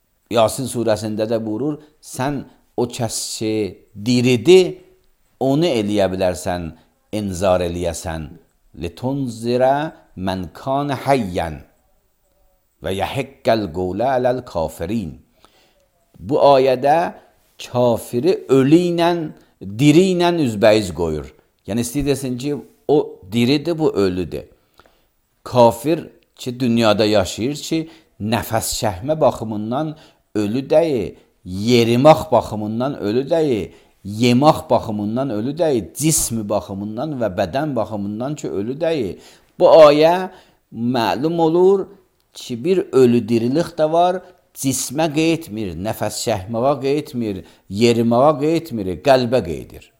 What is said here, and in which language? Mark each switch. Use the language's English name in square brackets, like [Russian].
[Azerbaijani] Yasin surəsində də buyurur, sən o kəs ki, diridi, onu eləyə bilərsən, inzar eləyəsən. [Arabic] Litunzirə mən kan həyyən və yəhəqqəl qovlə ələl kafirin. [Azerbaijani] Bu ayədə kafiri ölüyle, diriyle üzbəyiz koyur. Yani siz desin ki, o diridir, bu ölüdür. Kafir ki, dünyada yaşayır ki, nəfəs çəkmə baxımından ölü deyil, yerimaq baxımından ölü deyil, yemaq baxımından ölü deyil, cismi baxımından və bədən baxımından ki, ölü deyil. Bu ayə məlum olur ki, bir ölü dirilik də var, cismə qeytmir, nəfəs çəkməyə qeytmir, yerimağa qeytmir, qəlbə qeydir.